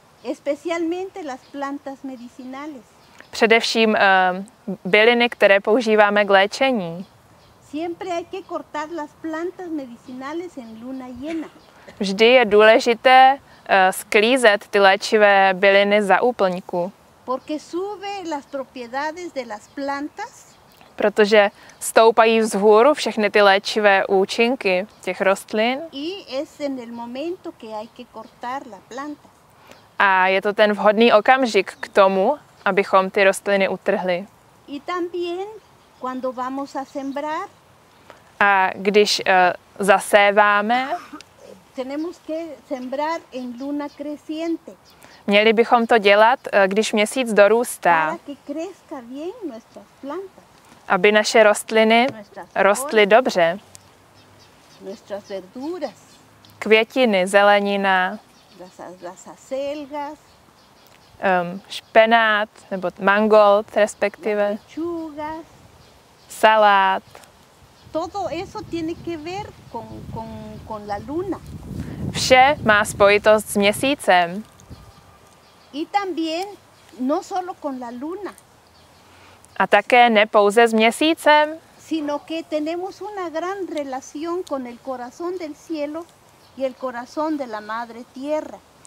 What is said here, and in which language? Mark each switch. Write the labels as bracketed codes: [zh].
[es] Especialmente las plantas medicinales. [cs] Především byliny, které používáme k léčení. [es] Siempre hay que cortar las plantas medicinales en luna llena. [cs] Vždy je důležité sklízet ty léčivé byliny za úplňku. [es] Porque sube las propiedades de las plantas. [cs] Protože stoupají vzhůru všechny ty léčivé účinky těch rostlin. [es] Y es en el momento que hay que cortar la planta. [cs] A je to ten vhodný okamžik k tomu, abychom ty rostliny utrhli. [es] Y también cuando vamos a sembrar. [cs] A když zaséváme, [es] tenemos que sembrar en luna creciente. [cs] Měli bychom to dělat, když měsíc dorůstá. [es] Para que crezca bien nuestras plantas. [cs] Aby naše rostliny rostly dobře. [es] Nuestras verduras. [cs] Květiny, zelenina. [es] Las acelgas. [cs] Špenát nebo mangold respektive. [es] Lechugas. [cs] Salát. [es] Todo eso tiene que ver con la luna. [cs] Vše má spojitost s měsícem. [es] Y también no solo con la luna. [cs] A také ne pouze s měsícem, [es] sino que tenemos una gran relación con el corazón del cielo y el corazón de la madre tierra.